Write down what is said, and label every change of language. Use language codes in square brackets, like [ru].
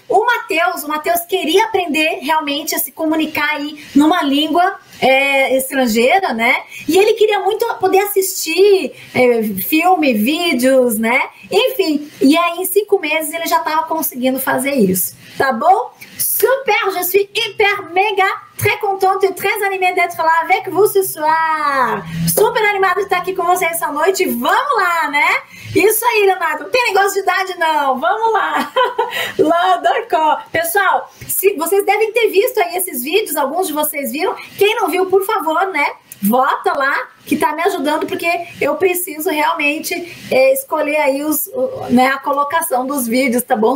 [pt] O Matheus queria aprender realmente a se comunicar aí numa língua estrangeira, né? E ele queria muito poder assistir filme, vídeos, né? Enfim, e aí em 5 meses ele já tava conseguindo fazer isso, tá bom? [fr] Super, je suis hyper, mega, très contente, très animée d'être là avec vous ce soir. [pt] Super animado de estar aqui com vocês essa noite, vamos lá, né? Isso aí, Leonardo, não tem negócio de idade não, vamos lá. Lá, d'accord. Pessoal, se vocês devem ter visto aí esses vídeos, alguns de vocês viram, quem não viu, por favor, né? Vota lá, que tá me ajudando, porque eu preciso realmente escolher aí a colocação dos vídeos, tá bom?